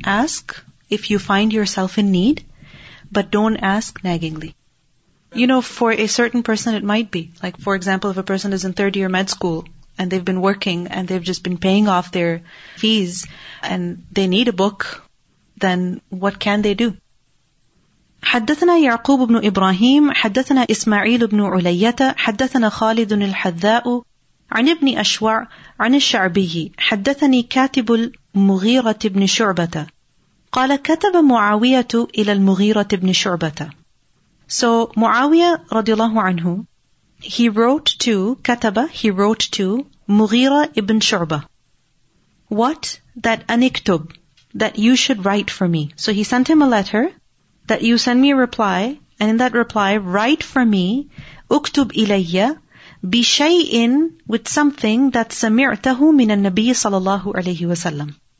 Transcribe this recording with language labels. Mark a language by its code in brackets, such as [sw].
[en] Ask if you find yourself in need, but don't ask naggingly. You know, for a certain person it might be. Like, for example, if a person is in third year med school and they've been working and they've just been paying off their fees and they need a book, then what can they do? [ar] حدثنا يعقوب بن إبراهيم حدثنا إسماعيل بن علية حدثنا خالد الحذاء عن ابن أشوع عن الشعبي حدثني كاتب المغيرة بن شعبة قال كتب معاوية إلى المغيرة بن شعبة. [en] So Muawiyah radiallahu anhu, he wrote to Kataba, he wrote to Mughira ibn Shu'bah. What? That aniktub, that you should write for me. So he sent him a letter, that you send me a reply, and in that reply, write for me, [ar] uktub ilayya, [en] bishay'in, with something that [ar] sami'tahu min al-Nabi sallallahu alayhi wa sallam.